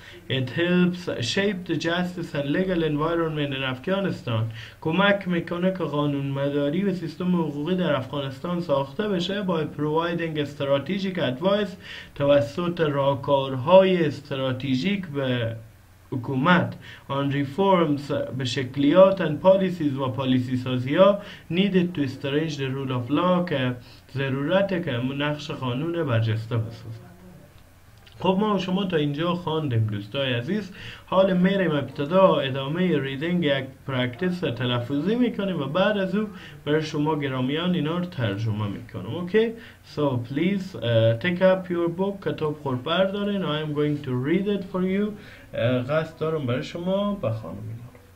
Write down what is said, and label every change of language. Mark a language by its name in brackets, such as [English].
[English] It helps shape the justice and legal environment in Afghanistan. [Persian] کمک میکنه که قانون مداری و سیستم حقوقی در افغانستان ساخته بشه [English] by providing strategic advice [Persian] توسط راهکارهای استراتژیک به حکومت [English] on reforms [Persian] به شکلیات [English] and policies [Persian] و پالیسی سازی ها [English] needed to strengthen the rule of law [Persian] که ضرورته که نقش قانون برجسته بسازه. خب ما شما تا اینجا خواندیم دوستای عزیز. حال میریم ابتدا ادامه ریدنگ یک پرکتیس تلفظی میکنیم و بعد از او برای شما گرامیان اینا رو ترجمه میکنم. [English] Okay? So please take up your book, [Persian] کتاب خور بردارین. [English] I am going to read it for you. [Persian] قصد دارم برای شما بخوانم اینا.